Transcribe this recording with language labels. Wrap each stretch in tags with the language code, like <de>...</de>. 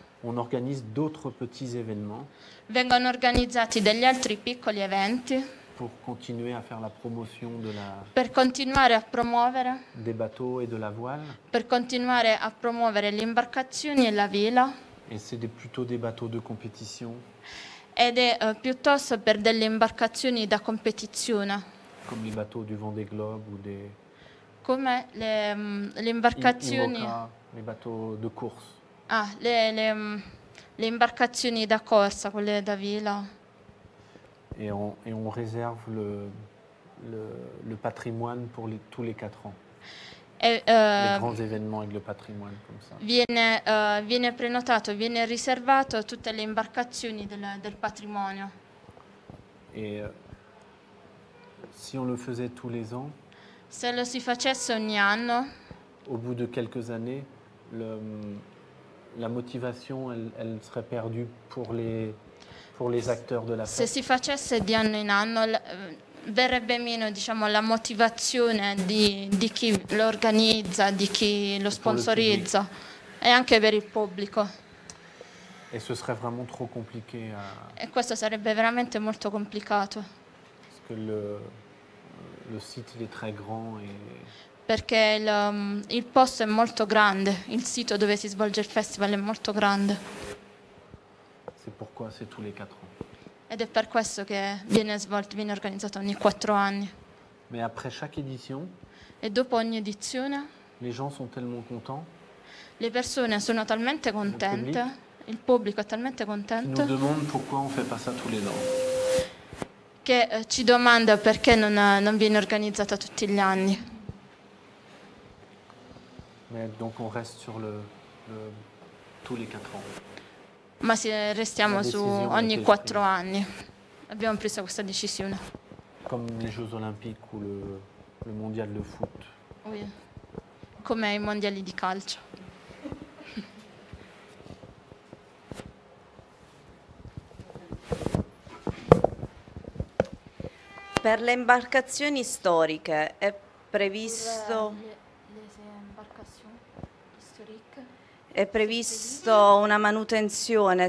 <fr>On organise d'autres petits événements.</fr> <it>Vengono organizzati degli altri piccoli eventi.</it> <fr>Pour continuer à faire la promotion de la.</fr> <it>Per continuare a promuovere.</it> <fr>Des bateaux et de la voile.</fr> <it>Per continuare a promuovere le imbarcazioni e la vela.</it> <fr>Et c'est plutôt des bateaux de compétition.</fr> <it>Ed è piuttosto per delle imbarcazioni da competizione.</it> <fr>Comme les bateaux du Vendée Globe ou des.</fr> <it>Come le imbarcazioni.</it> <fr>Imoca, les bateaux de course.</fr> <it>Ah, le imbarcazioni da corsa, quelle da vela.</it> <fr>Et on réserve le patrimoine pour tous les 4 ans. Les grands événements avec le patrimoine comme ça.</fr> <it>Viene prenotato, viene riservato tutte le imbarcazioni del patrimonio.</it> <fr>Et si on le faisait tous les ans?</fr> <it>Se lo si facesse ogni anno?</it> <fr>Au bout de quelques années, la motivation elle serait perdue pour les acteurs de la fête.</fr> <it>Se si facesse di anno in anno verrebbe meno, diciamo, la motivazione di chi lo organizza, di chi lo sponsorizza e anche per il pubblico.</it> <fr>Et ce serait vraiment trop compliqué.</fr> <it>E questo sarebbe veramente molto complicato.</it> <fr>Parce que le site il est très grand et.</fr> <it>Perché il posto è molto grande, il sito dove si svolge il festival è molto grande.</it> <fr>C'est pourquoi pourquoi c'est tous les 4 ans.</fr> <it>Ed è per questo che viene svolto, viene organizzato ogni 4 anni.</it> <fr>Mais après chaque édition,</fr> <it>e dopo ogni edizione,</it> <fr>les gens sont tellement contents.</fr> <it>Le persone sono talmente contente, il pubblico è talmente contento.</it> <fr>Qui nous demande pourquoi on fait pas ça tous les ans.</fr> <it>Che ci domanda perché non viene organizzata tutti gli anni.</it> <fr>Mais donc on reste sur le tous les 4 ans.</fr> <it>Ma se restiamo su ogni 4 anni. Abbiamo preso questa decisione.</it> <fr>Comme les Jeux Olympiques ou le Mondial de foot. Oui.</fr> <it>Come i mondiali di calcio. Per le imbarcazioni storiche è previsto una manutenzione.</it>